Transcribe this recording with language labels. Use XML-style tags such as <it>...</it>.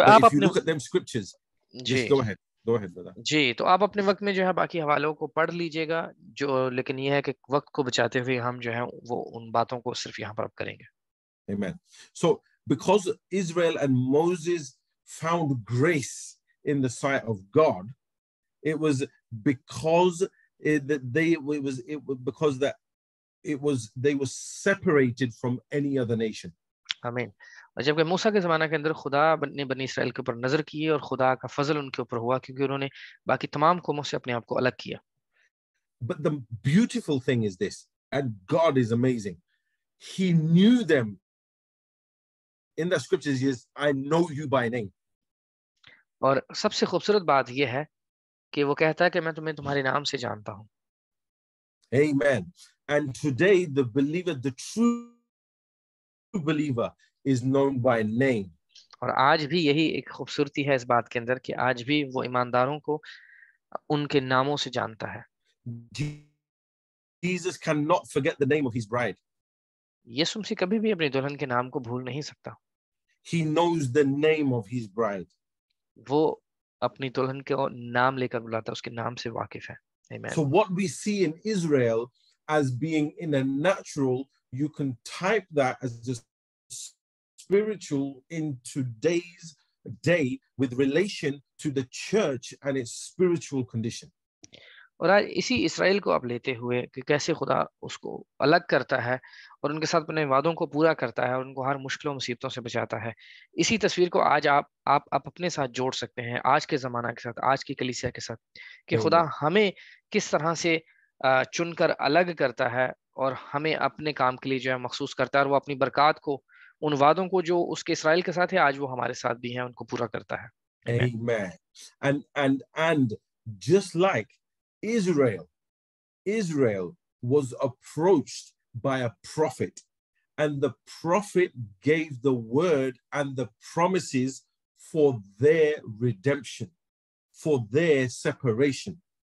<en>if you look at them scriptures, just go ahead.</en> <hi>जी, तो आप अपने वक्त में जो है बाकी हवालों को पढ़ लीजिएगा जो, लेकिन यह है कि वक्त को बचाते हुए हम जो है वो उन बातों को सिर्फ यहाँ पर आप करेंगे। Amen.</hi> <en>So because Israel and Moses found grace in the sight of God, it was because they were separated from any other nation. Amen.</en> <hi>जबकि मूसा के जमाने के अंदर खुदा ने बनी इसराइल के ऊपर नजर की और खुदा का फजल उनके ऊपर हुआ क्योंकि उन्होंने बाकी तमाम कौमों से अपने आप को अलग किया।</hi> <en>But the beautiful thing is this, and God is amazing. He knew them. In the scriptures, he says, "I know you by name."</en> <hi>और सबसे खूबसूरत बात यह है कि वो कहता है कि मैं तुम्हें तुम्हारे नाम से जानता हूँ।</hi> <en>Amen. And today, the believer, the true believer, is known by name.</en> <hi>और आज भी यही एक खूबसूरती है इस बात के अंदर कि आज भी वो ईमानदारों को उनके नामों से जानता है।</hi> <en>Do Jesus cannot forget the name of his bride.</en> <hi>यीशु मसीह कभी भी अपनी दुल्हन के नाम को भूल नहीं सकता.</hi> <en>He knows the name of his bride.</en> <hi>वो अपनी दुल्हन के नाम लेकर बुलाता है, उसके नाम से वाकिफ है.</hi> <en>So what we see in Israel as being in a natural, you can type that as just spiritual in today's day with relation to the church and its spiritual condition.</en> <hi>और आज इसी इसराइल को आप लेते हुए कि कैसे खुदा उसको अलग करता है और उनके साथ अपने वादों को पूरा करता है और उनको हर मुश्किलों मुसीबतों से बचाता है, इसी तस्वीर को आज आप अपने साथ जोड़ सकते हैं, आज के जमाना के साथ, आज की कलीसिया के साथ, कि खुदा हमें किस तरह से चुनकर अलग करता है और हमें अपने काम के लिए जो है मखसूस करता है, और वो अपनी बरकत को, उन वादों को जो उसके इसराइल के साथ है, आज वो हमारे साथ भी है, उनको पूरा करता है.</hi> <en>Amen. And just like Israel was approached by a prophet, and the prophet gave the word and the promises for their redemption, for their separation.</en>